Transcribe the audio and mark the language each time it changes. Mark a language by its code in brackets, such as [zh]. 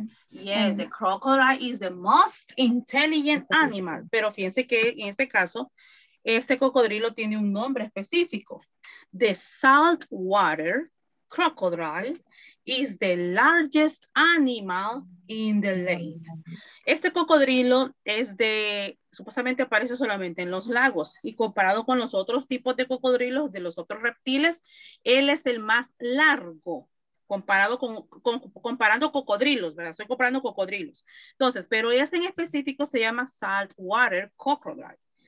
[en] Yes, the crocodile is the most intelligent animal. [es] Pero fíjense que en este caso, este cocodrilo tiene un nombre específico. [en] The saltwater crocodile is the largest animal in the lake. [es] Este cocodrilo es de, supuestamente aparece solamente en los lagos. Y comparado con los otros tipos de cocodrilos, de los otros reptiles, él es el más largo. Comparado comparando cocodrilos, ¿verdad? Estoy comparando cocodrilos. Entonces, pero este en específico se llama saltwater crocodile.